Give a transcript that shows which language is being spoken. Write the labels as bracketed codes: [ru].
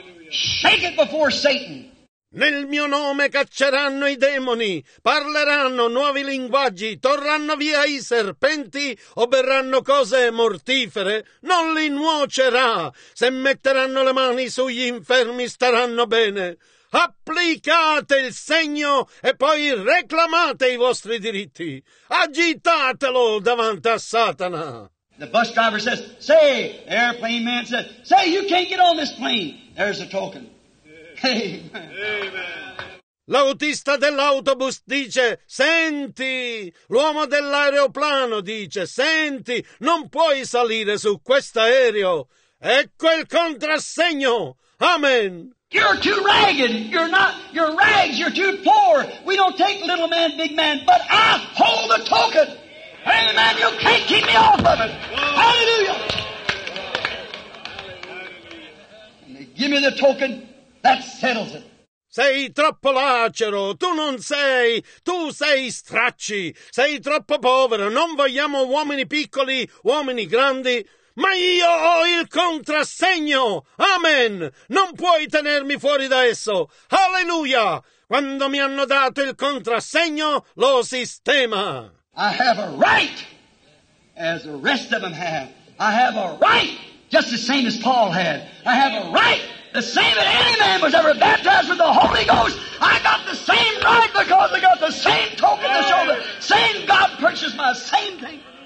[en] Shake it before Satan. [it] Nel mio nome cacceranno i demoni, parleranno nuovi linguaggi, torranno via i serpenti o berranno cose mortifere, non li nuocerà. Se metteranno le mani sugli infermi staranno bene. Applicate il segno e poi reclamate i vostri diritti. Agitatelo davanti a Satana. [en] The bus driver says, say, the airplane man says, say, you can't get on this plane. There's a token. Amen. [it] L'autista dell'autobus dice, senti, l'uomo dell'aeroplano dice, senti, non puoi salire su quest'aereo. Ecco il contrassegno. Amen. [en] You're too ragged. You're not, you're rags, you're too poor. We don't take little man, big man, but I hold the token. Amen, you can't keep me off of it. Hallelujah. Give me the token. That settles it. [it] Sei troppo lacero, tu non sei, tu sei stracci, sei troppo povero, non vogliamo uomini piccoli, uomini grandi, ma io ho il contrassegno, amen, non puoi tenermi fuori da esso, alleluia, quando mi hanno dato il contrassegno, lo sistema. [en] I have a right, as the rest of them have, I have a right, just the same as Paul had, I have a right. The same that any man was ever baptized with the Holy Ghost. I got the same right because I got the same token to show the same God purchased my same thing.